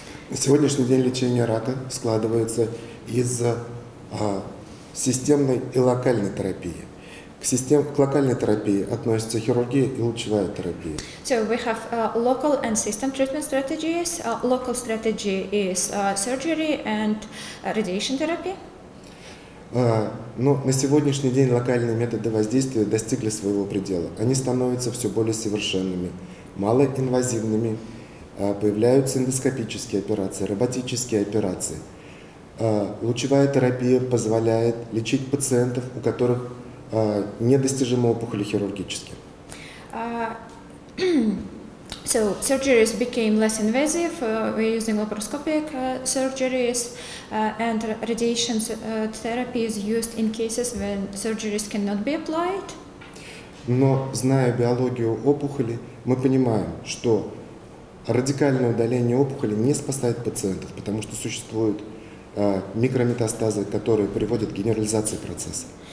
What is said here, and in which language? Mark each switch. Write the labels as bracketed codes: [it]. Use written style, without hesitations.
[ru] На сегодняшний день лечение рака складывается из системной и локальной терапии. К локальной терапии относятся хирургия и лучевая терапия. [en] So we have local and system treatment strategies. Local strategy is surgery and radiation therapy. [ru] Но на сегодняшний день локальные методы воздействия достигли своего предела. Они становятся все более совершенными, малоинвазивными. Появляются эндоскопические операции, роботические операции. Лучевая терапия позволяет лечить пациентов, у которых недостижимые опухоли хирургически. [en] So surgeries became less invasive. We're using laparoscopic surgeries and radiation therapy is used in cases when surgeries cannot be applied. [ru] Но зная биологию опухоли, мы понимаем, что радикальное удаление опухоли не спасает пациентов, потому что существуют микрометастазы, которые приводят к генерализации процесса.